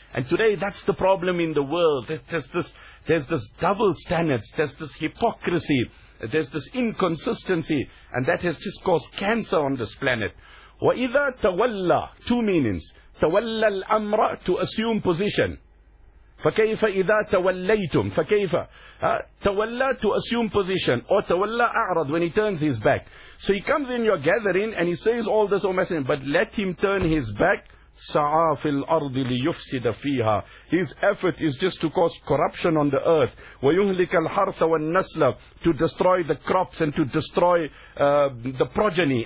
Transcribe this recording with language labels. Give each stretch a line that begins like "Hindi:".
English: And today, that's the problem in the world. There's this double standards. There's this hypocrisy. There's this inconsistency. And that has just caused cancer on this planet.
Arabic: وَإِذَا تَوَلَّى
English: Two meanings.
Arabic: تَوَلَّى الْأَمْرَ
English: To assume position.
Arabic: فَكَيْفَ إِذَا تَوَلَّيْتُمْ فَكَيْفَ تَوَلَّى
English: To assume position. Or
Arabic: تَوَلَّى أَعْرَض
English: When he turns his back. So he comes in your gathering and he says all this, O Messenger, but let him turn his back.
Arabic: سَعَى فِي الْأَرْضِ لِيُفْسِدَ فِيهَا
English: His effort is just to cause corruption on the earth.
Arabic: وَيُهْلِكَ الْحَرْثَ وَالنَّسْلَ
English: To destroy the crops and to destroy the progeny.